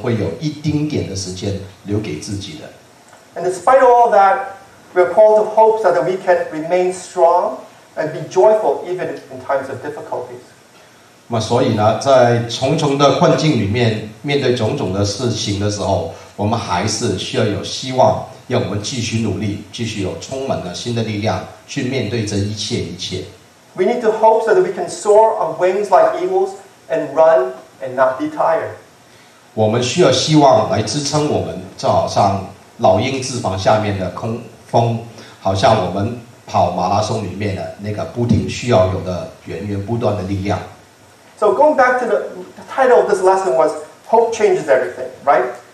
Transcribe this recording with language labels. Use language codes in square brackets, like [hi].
[zh] 然后呢，看完看到这一地鸡毛以后，在终归一切平静下来的晚上，你可能会有一丁点的时间留给自己的。 [en] And despite all that, we are called to hope so that we can remain strong and be joyful even in times of difficulties. [zh] 所以呢，在重重的困境里面，面对种种的事情的时候，我们还是需要有希望，让我们继续努力，继续有充满了新的力量去面对这一切。 [en] We need to hope so that we can soar on wings like eagles and run and not be tired. [zh] 我们需要希望来支撑我们，就好像老鹰翅膀下面的空风，好像我们跑马拉松里面的那个不停需要有的源源不断的力量。 [en] So going back to the title of this lesson was hope changes everything, right?